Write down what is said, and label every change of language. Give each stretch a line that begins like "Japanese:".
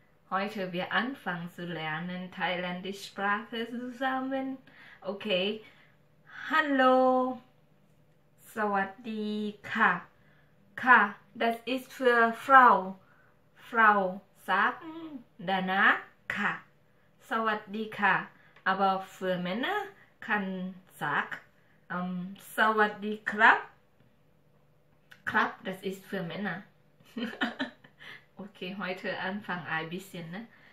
German: Heute wir anfangen zu lernen thailändische Sprache zusammen. Okay. Hallo.
Thai: สวัสดีค่ะค่ะ
German: Das ist für Frau. Frau sagen danach
Thai: ค่ะสวัสดีค่ะ
German: Aber für Männer kann sagen
Thai: Sawadi Krab.
German: Krab, das ist für Männer. Okay, heute anfangen ein bisschen. Ne?